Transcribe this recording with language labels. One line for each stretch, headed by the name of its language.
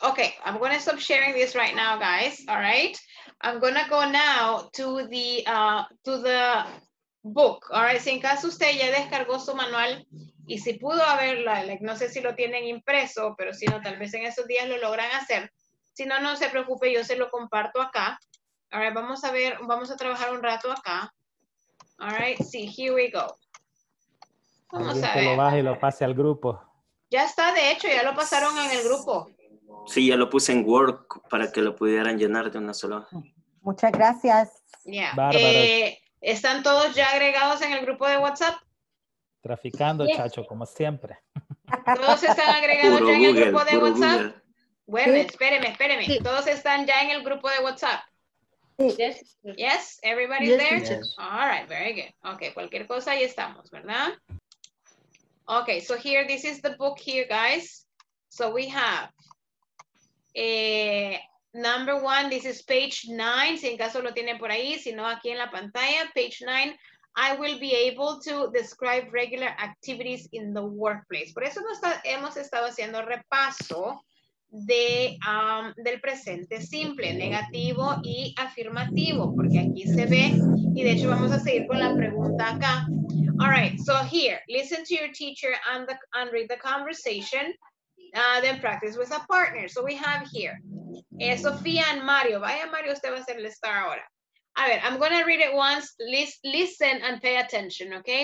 English: Okay, I'm going to stop sharing this right now, guys. All right. I'm going to go now to the book.
Spanish: All right, si en caso usted ya descargó su manual y si pudo haberla, like, no sé si lo tienen impreso, pero si no, tal vez en esos días lo logran hacer. Si no, no se preocupe, yo se lo comparto acá.
English: All right,
Spanish: vamos a ver, vamos a trabajar un rato acá.
English: All right, see, here we go.
Spanish: Vamos a ver. Lo baje y lo pase al grupo. Ya está, de hecho, ya lo pasaron en el grupo. Sí, ya lo puse en Word para que lo pudieran llenar de una sola. Muchas gracias.
English: Yeah.
Spanish: ¿Están todos ya agregados en el grupo de WhatsApp? Traficando,
English: yes.
Spanish: Chacho, como siempre. ¿Todos están agregados puro ya Google, en el grupo de WhatsApp? Google. Bueno, espéreme, espéreme. Sí. ¿Todos están ya en el grupo de WhatsApp? Sí.
English: Yes, everybody's there? Yes. All right, very good. Ok,
Spanish: cualquier cosa, ahí estamos, ¿verdad?
English: Ok, so here, this is the book here, guys. So we have number one, this is page 9.
Spanish: Si en caso lo tienen por ahí, si no, aquí en la pantalla,
English: page 9. I will be able to describe regular activities in the workplace.
Spanish: Por eso hemos estado haciendo repaso del presente simple, negativo y afirmativo, porque aquí se ve, y de hecho vamos a seguir con la pregunta acá.
English: All right, so here, listen to your teacher and read the conversation, then practice with a partner. So we have here, Sofía and Mario.
Spanish: Vaya Mario, usted va a ser el star ahora.
English: A ver, I'm gonna read it once, listen and pay attention, okay?